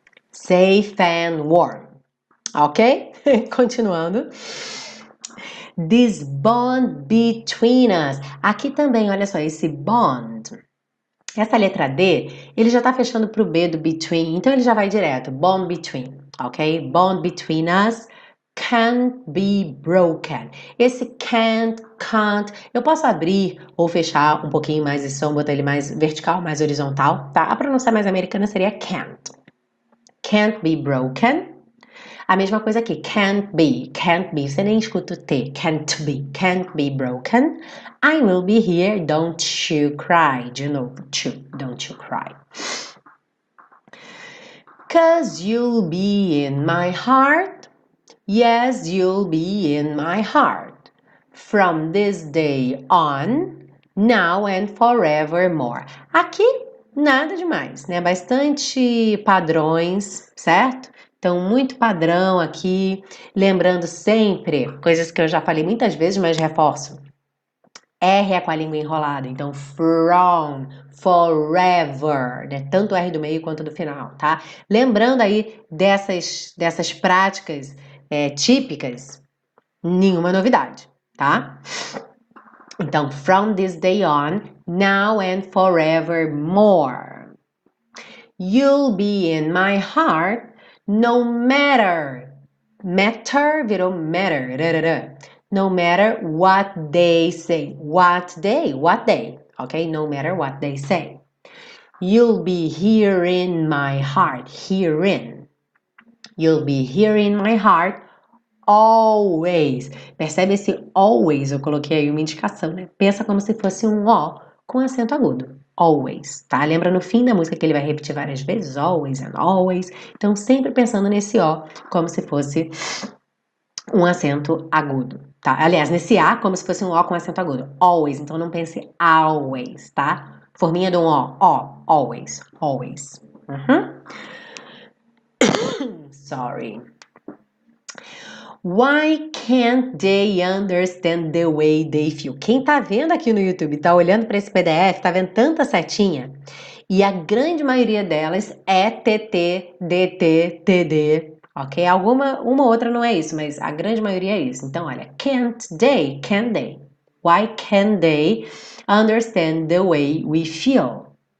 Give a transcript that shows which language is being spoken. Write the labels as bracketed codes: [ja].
[en] Safe and warm. Ok? Continuando. This bond between us. [pt] Aqui também, olha só, esse bond. Essa letra D, ele já tá fechando pro B do between, então ele já vai direto. [en] Bond between. Ok? Bond between us can't be broken. [pt] Esse can't. Eu posso abrir ou fechar um pouquinho mais esse som, botar ele mais vertical, mais horizontal, tá? A pronúncia mais americana seria can't. [en] Can't be broken. [pt] A mesma coisa aqui. [en] Can't be. Você nem escuta o T. Can't be broken. I will be here. Don't you cry. [pt] De novo. [en] Don't you cry. 'Cause you'll be in my heart. Yes, you'll be in my heart. From this day on, now and forevermore. [pt] Aqui. Nada demais, né? Bastante padrões, certo? Então, muito padrão aqui. Lembrando sempre, coisas que eu já falei muitas vezes, mas reforço. R é com a língua enrolada. Então, from, forever, né? Tanto o R do meio quanto do final, tá? Lembrando aí dessas práticas típicas, nenhuma novidade, tá? [en] Então, from this day on, now and forevermore. You'll be in my heart, no matter. Matter virou matter. No matter what they say. What day? What day? Ok? No matter what they say. You'll be here in my heart. Herein. You'll be here in my heart. [pt] Always. Percebe esse always? Eu coloquei aí uma indicação, né? Pensa como se fosse um O com acento agudo. Always, tá? Lembra no fim da música que ele vai repetir várias vezes? [en] Always and always. [pt] Então, sempre pensando nesse O como se fosse um acento agudo, tá? Aliás, nesse A como se fosse um O com acento agudo. Always. Então, não pense always, tá? Forminha de um O. O. Always. Always. [en] Sorry. Why can't they understand the way they feel? [pt] Quem tá vendo aqui no YouTube, tá olhando para esse PDF, tá vendo tanta setinha? E a grande maioria delas é TT, DT, TD, ok? Alguma, uma ou outra não é isso, mas a grande maioria é isso. Então, olha, [en] can't they, can they? Why can't they understand the way we feel?